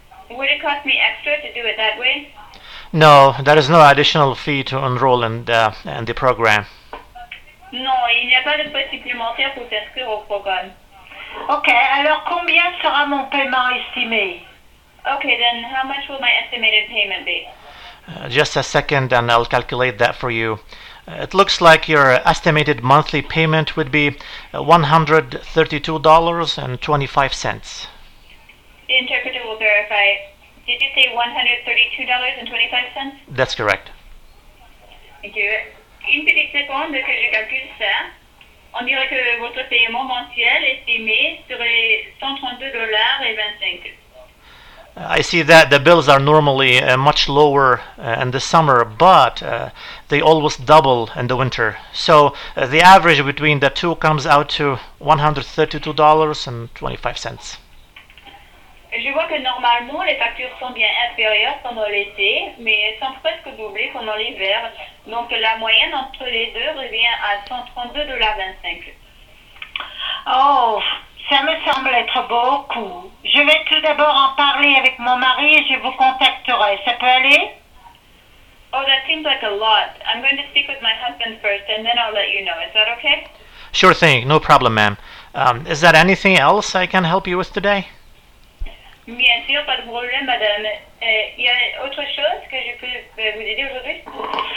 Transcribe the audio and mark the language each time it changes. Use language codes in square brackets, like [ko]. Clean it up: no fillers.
[en] Would it cost me extra to do it that way? No, there is no additional fee to enroll in the program. [fr] Non, il n'y a pas de frais supplémentaires pour s'inscrire au programme. Ok, alors combien sera mon paiement estimé? [en] Ok, then how much will my estimated payment be? Just a second and I'll calculate that for you. It looks like your estimated monthly payment would be $132.25. The interpreter will verify. Did you say $132.25? That's correct. Thank you. [fr] Une petite seconde que je calcule ça. On dirait que votre paiement mensuel estimé serait $132.25. [en] I see that the bills are normally much lower in the summer, but they always double in the winter. So the average between the two comes out to $132.25. [fr] Je vois que normalement les factures sont bien inférieures pendant l'été, mais elles sont presque doublées pendant l'hiver. Donc la moyenne entre les deux revient à $132.25. Oh! Ça me semble être beaucoup. Je vais tout d'abord en parler avec mon mari et je vous contacterai. Ça peut aller? [en] Oh, that seems like a lot. I'm going to speak with my husband first and then I'll let you know. Is that okay? Sure thing. No problem, ma'am. Is there anything else I can help you with today? [fr] Bien sûr, pas de problème, madame. Y a autre chose que je peux vous aider aujourd'hui?